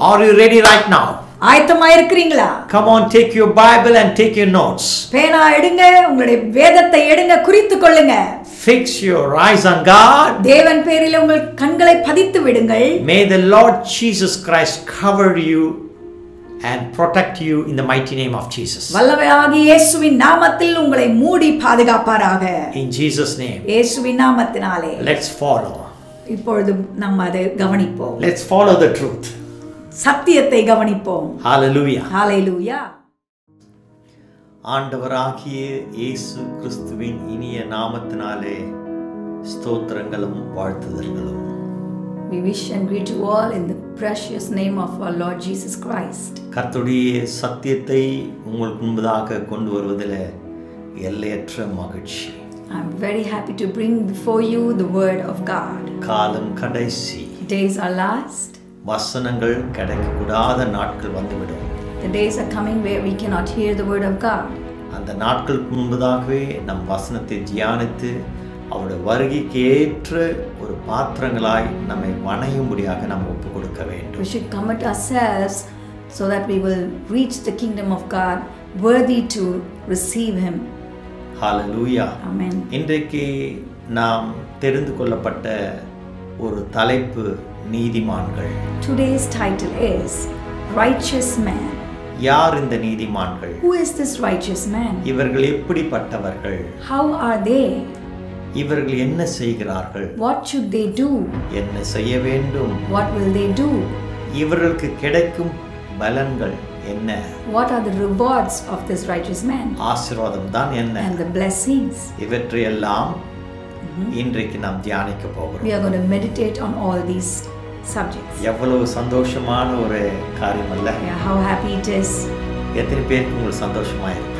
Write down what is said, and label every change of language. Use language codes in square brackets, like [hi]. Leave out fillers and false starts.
[en] Are you ready right now? [ta] ஆயத்தமாயிருக்கிறீங்களா? [en] Come on, take your Bible and take your notes. [ta] பேனா எடுங்க, உங்களுடைய வேதத்தை எடுங்க, குறித்துக் கொள்ளுங்க. [en] Fix your eyes on God. [ta] தேவன் பேரில் உங்கள் கண்களை பதித்து விடுங்கள். [en] May the Lord Jesus Christ cover you and protect you in the mighty name of Jesus. [ta] வல்லவராகிய இயேசுவின் நாமத்தில் உங்களை மூடி பாதுகாப்பாராக. [en] In Jesus name. [ta] இயேசுவின் நாமத்தினாலே. [en] Let's follow. [ta] இப்பொழுது நாம் அதை கவனிப்போம். [en] Let's follow the truth. [ta] சத்தியத்தை கவனிப்போம். Hallelujah. Hallelujah. ஆண்டவராகிய இயேசு கிறிஸ்துவின் இனிய நாமத்தினாலே ஸ்தோத்திரங்களும் வாழ்த்துதல்களும். [en] We wish and greet you all in the precious name of our Lord Jesus Christ. [ta] கர்த்தருடைய சத்தியத்தை உங்களுக்கு முன்பதாக கொண்டு வருவதில் எல்லையற்ற மகிழ்ச்சி. [en] I'm very happy to bring before you the word of God. [ta] காலம் கடைசி. [en] Days are last. [ta] வசனங்கள் கிடைக்கக்கூடாத நாட்கள் வந்துவிடும். [en] The days are coming where we cannot hear the word of God. [ta] அந்த நாட்கள் முன்பதாகவே நம் வசனத்தை தியானித்து அவருடைய வருகைக்கு ஏற்ற ஒரு பாத்திரங்களாய் நம்மை வணையும்படியாக நாம் ஒப்பு கொடுக்க வேண்டும். [en] We should commit ourselves so that we will reach the kingdom of God worthy to receive him. Hallelujah. Amen. [ta] இன்றைக்கு நாம் தெரிந்து கொள்ளப்பட்ட ஒரு தலைப்பு நீதிமான்கள். [en] Today's title is Righteous man. [ta] யார் இந்த நீதிமான்கள்? [en] Who is this righteous man? [ta] இவர்கள் எப்படிப்பட்டவர்கள்? [en] How are they? [ta] இவர்கள் என்ன செய்கிறார்கள்? [en] What should they do? [ta] என்ன செய்ய வேண்டும்? [en] What will they do? [ta] இவர்களுக்கு கிடைக்கும் பலன்கள் என்ன? [en] What are the rewards of this righteous man? [ta] ஆசீர்வாதம் தான் என்ன? [en] And the blessings. [ta] இவற்றையெல்லாம் இன்றைக்கு நாம் தியானிக்க போகிறோம். [en] We are going to meditate on all these subjects. [ta] எவ்வளவு சந்தோஷமான ஒரு காரியம் அல்ல. [en] How happy it is. [ta] எத்தனை பேர் உங்களுக்கு சந்தோஷமா இருக்கு?